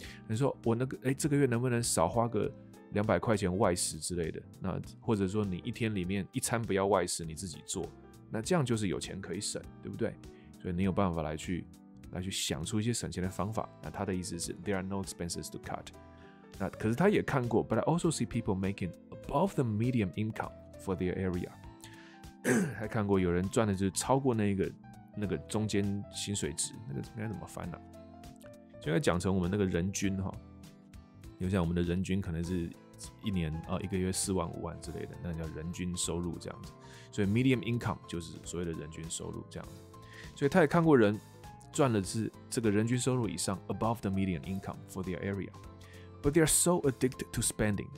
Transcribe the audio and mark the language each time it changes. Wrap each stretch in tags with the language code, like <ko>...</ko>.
<zh>你说我那个，这个月能不能少花个200块钱外食之类的？那或者说你一天里面一餐不要外食，你自己做，那这样就是有钱可以省，对不对？所以你有办法来去想出一些省钱的方法。那他的意思是</zh> <en>There are no expenses to cut.</en> <zh>那可是他也看过</zh> <en>，But I also see people making above the median income for their area.</en> <zh>还看过有人赚的就是超过那个中间薪水值，那个应该怎么翻呢、啊？就应该讲成我们那个人均哈，就像我们的人均可能是一年啊、一个月4万5万之类的，那叫人均收入这样子。所以 medium income 就是所谓的人均收入这样子。所以他也看过人赚的是这个人均收入以上</zh> <en>above the median income for their area, but they are so addicted to spending.</en>